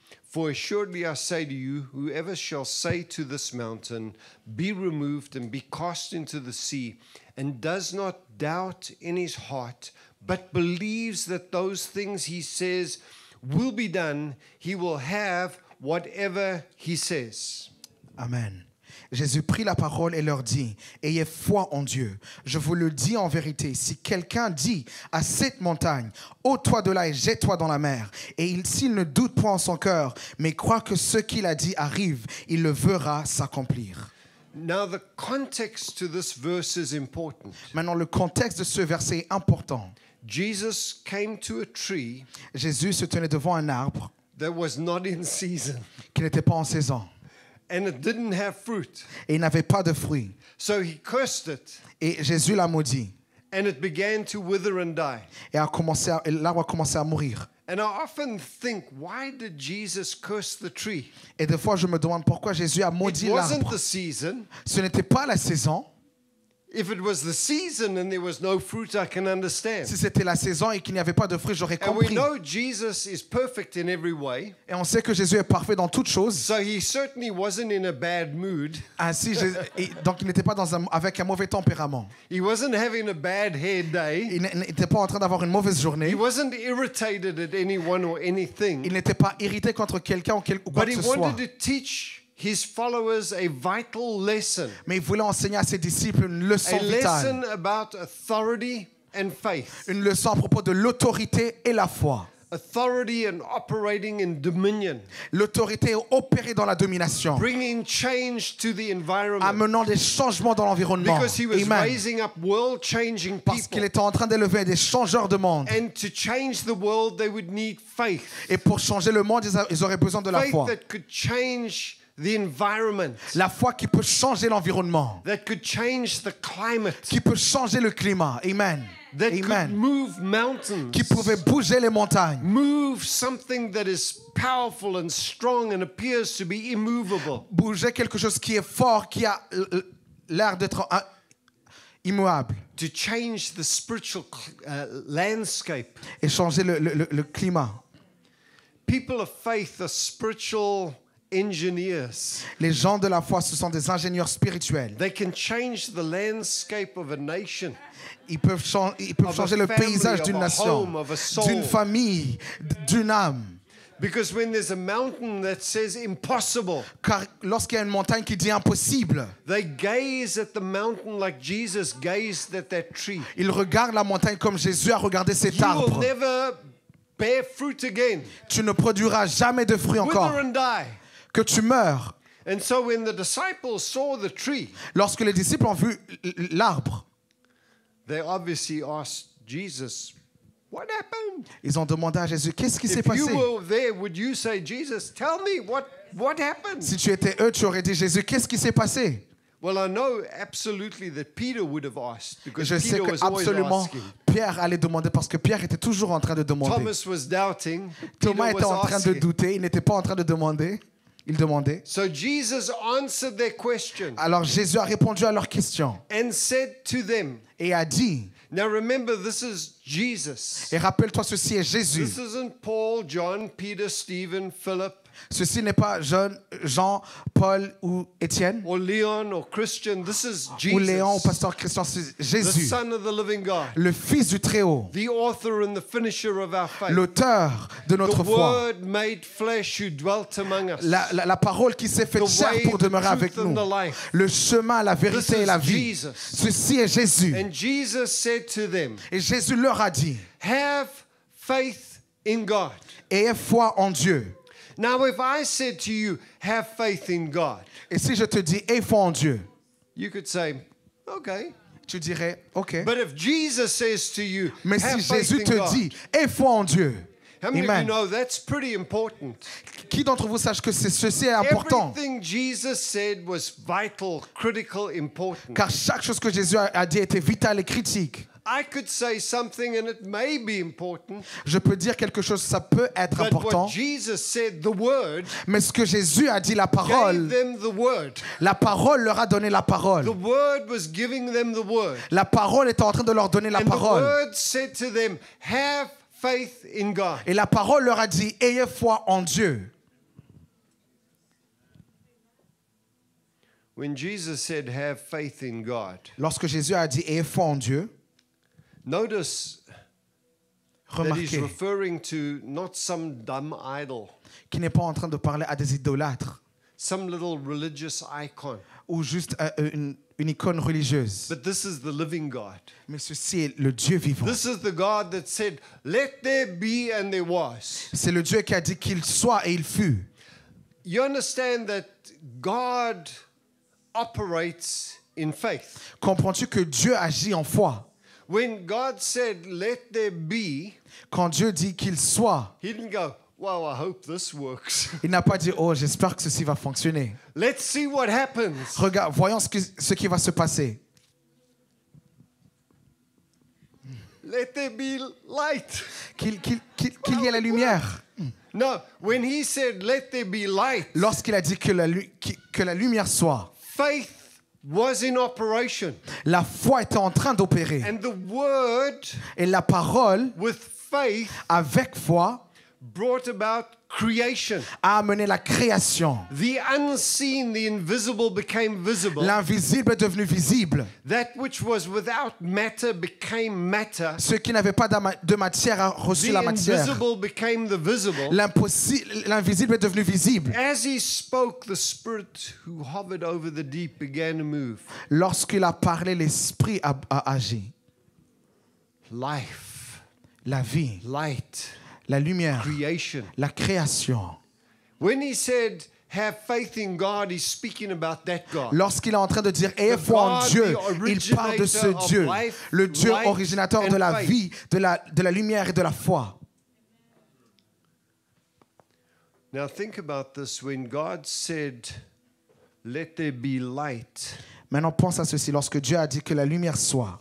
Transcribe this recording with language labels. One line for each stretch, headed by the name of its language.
English: For assuredly I say to you, whoever shall say to this mountain, 'Be removed and be cast into the sea,' and does not doubt in his heart, but believes that those things he says will be done, he will have whatever he says." Amen.
French: Jésus prit la parole et leur dit, « Ayez foi en Dieu. Je vous le dis en vérité, si quelqu'un dit à cette montagne, « Ôte-toi de là et jette-toi dans la mer », et s'il ne doute point en son cœur, mais croit que ce qu'il a dit arrive, il le verra s'accomplir. »
English: Now the context to this verse is important.
French: Maintenant le contexte de ce verset est important.
English: Jesus came to a tree.
French: Jésus se tenait devant un arbre.
English: That was not in season.
French: Qui n'était pas en saison.
English: And it didn't have fruit.
French: Et il n'avait pas de fruit.
English: So he cursed it.
French: Et Jésus l'a maudit.
English: And it began to wither and die.
French: Et l'arbre a commencé à mourir.
English: And I often think, why did Jesus curse the tree?
French: Et des fois, je me demande pourquoi Jésus a maudit l'arbre.
English: It wasn't the season.
French: Ce n'était pas la saison.
English: If it was the season and there was no fruit, I can understand.
French: Si c'était la saison et qu'il n'y avait pas de fruit, j'aurais
English: and
French: compris.
English: And we know Jesus is perfect in every way.
French: Et on sait que Jésus est parfait dans toutes choses.
English: So he certainly wasn't in a bad mood.
French: Ainsi, donc il n'était pas avec un mauvais tempérament.
English: He wasn't having a bad hair day.
French: Il n'était pas en train d'avoir une mauvaise journée.
English: He wasn't irritated at anyone or anything.
French: Il n'était pas irrité contre quelqu'un ou quoi
English: but
French: que ce soit.
English: But he wanted to teach his followers a vital lesson.
French: Mais il voulait enseigner à ses disciples une leçon vitale.
English: A lesson about authority and faith.
French: Une leçon à propos de l'autorité et la foi.
English: Authority and operating in dominion.
French: L'autorité et opérer dans la domination.
English: Bringing change to the environment.
French: Amenant des changements dans l'environnement.
English: Because he was raising up world-changing people.
French: Parce qu'il était en train d'élever des changeurs de monde.
English: And to change the world, they would need faith.
French: Et pour changer le monde, ils auraient besoin de la foi.
English: Faith that could change the environment,
French: la foi qui peut changer l'environnement,
English: that could change the climate,
French: qui peut changer le climat, amen.
English: That amen. Could move mountains,
French: qui pouvait bouger les montagnes,
English: move something that is powerful and strong and appears to be immovable,
French: bouger quelque chose qui est fort, qui a l'air d'être immuable,
English: to change the spiritual landscape,
French: et changer le climat.
English: People of faith are spiritual engineers.
French: Les gens de la foi, ce sont des ingénieurs spirituels.
English: They can change the landscape of a nation.
French: Ils peuvent changer le paysage d'une nation, d'une famille, d'une âme.
English: Because when there's a mountain that says impossible,
French: car lorsqu'il y a une montagne qui dit impossible,
English: they gaze at the mountain like Jesus gazed at that tree.
French: Ils regardent la montagne comme Jésus a regardé cet arbre.
English: You will never bear fruit again.
French: Tu ne produiras jamais de fruits encore.
English: Wither and die.
French: Que tu meurs.
English: And so when the disciples saw the tree,
French: lorsque les disciples ont vu l'arbre,
English: they obviously asked Jesus, what happened?
French: Ils ont demandé à Jésus, qu'est-ce qui s'est passé?
English: If you were there, would you say, Jesus, tell me what happened?
French: Si tu étais eux, tu aurais dit, Jésus, qu'est-ce qui s'est passé?
English: Well, I know absolutely that Peter would have asked, because
French: je
English: Peter
French: sais que
English: was
French: absolument
English: always asking.
French: Pierre allait demander parce que Pierre était toujours en train de demander.
English: Thomas was doubting.
French: Thomas
English: Peter
French: était
English: was
French: en train
English: asking.
French: De douter. Il n'était pas en train de demander. Il demandait.
English: So Jesus answered their question.
French: Alors Jésus a répondu à leur question.
English: And said to them.
French: Et a dit.
English: Now remember, this is Jesus.
French: Et rappelle-toi, ceci est Jésus.
English: This isn't Paul, John, Peter, Stephen, Philip.
French: Ceci n'est pas Jean, Paul ou Étienne.
English: Or Leon or Christian. This is Jesus.
French: Ou Léon ou pasteur Christian, c'est Jésus.
English: The Son of the Living God.
French: Le Fils du Très-Haut.
English: The author and the finisher of our faith.
French: L'auteur de notre
English: the
French: foi.
English: The Word made flesh who dwelt among us.
French: La parole qui s'est faite chair pour demeurer avec nous.
English: The life.
French: Le chemin, la vérité
English: this
French: et la vie.
English: Jesus.
French: Ceci est Jésus.
English: And Jesus said to them.
French: Et Jésus leur a dit.
English: Have faith in God.
French: Ayez foi en Dieu.
English: Now, if I said to you, "Have faith in God,"
French: et si je te dis, aie foi en Dieu,
English: you could say, "Okay."
French: Tu dirais, okay.
English: But if Jesus says to you,
French: mais
English: have
French: si
English: faith
French: Jésus
English: in
French: te
English: God,
French: dit, aie foi en Dieu,
English: how many
French: amen.
English: Of you know that's pretty important?
French: Qui d'entre vous sache que ceci est important?
English: Everything Jesus said was vital, critical, important.
French: Car chaque chose que Jésus a dit était vital et critique.
English: I could say something and it may be important.
French: Je peux dire quelque chose, ça peut être
English: but
French: important.
English: What Jesus said, the word,
French: mais ce que Jésus a dit, la parole,
English: gave them the word.
French: La parole leur a donné la parole.
English: The word was giving them the word.
French: La parole était en train de leur donner
English: and
French: la parole.
English: The word said to them, have faith in God.
French: Et la parole leur a dit, ayez foi en Dieu.
English: When Jesus said, have faith in God,
French: lorsque Jésus a dit, ayez foi en Dieu,
English: notice
French: remarquez,
English: that he's referring to not some dumb idol,
French: qui n'est pas en train de parler à des idolâtres,
English: some little religious icon,
French: ou juste une icône religieuse.
English: But this is the living God.
French: Mais ceci est le Dieu vivant.
English: This is the God that said, "Let there be," and there was.
French: C'est le Dieu qui a dit qu'il soit et il fut.
English: You understand that God operates in faith.
French: Comprends-tu que Dieu agit en foi?
English: When God said, "Let there be,"
French: quand Dieu dit qu'il soit,
English: he didn't go, "Wow, I hope this works."
French: Il n'a pas dit, "Oh, j'espère que ceci va fonctionner."
English: Let's see what happens.
French: Regarde, voyons ce qui va se passer.
English: Let there be light.
French: Qu'il y ait la lumière.
English: No, when he said, "Let there be light,"
French: lorsqu'il a dit que la lumière soit,
English: faith was in operation.
French: La foi était en train d'opérer.
English: And the word,
French: et la parole,
English: with faith,
French: avec foi,
English: brought about creation.
French: A amené la création.
English: The unseen, the invisible became visible.
French: L'invisible est devenu visible.
English: That which was without matter became matter.
French: Ce qui n'avait pas de matière a reçu
English: the
French: la matière.
English: The invisible became the visible.
French: L'invisible est devenu visible.
English: As he spoke, the spirit who hovered over the deep began to move.
French: Lorsqu'il a parlé, l'esprit a agi.
English: Life.
French: La vie.
English: Light.
French: La lumière,
English: creation.
French: La création.
English: When he said, "Have faith in God," he's speaking about that God.
French: Lorsqu'il est en train de dire, "Ayez foi en Dieu," il parle de ce Dieu, le Dieu originateur de la vie, de la lumière et de la foi.
English: Now think about this, when God said, let there be light.
French: Maintenant pense à ceci, lorsque Dieu a dit que la lumière soit.